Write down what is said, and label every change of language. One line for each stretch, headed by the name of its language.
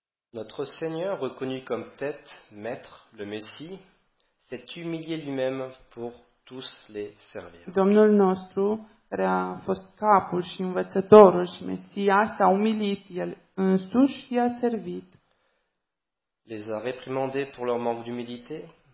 French: Notre Seigneur, reconnu comme tête, maître, le Messie, s'est humilié lui-même pour tous les servir.
Romanian: Domnul nostru, care a fost capul și învățătorul și Mesia, s-a umilit el însuși și a servit.
French: Les a réprimandés pour leur manque d'humilité.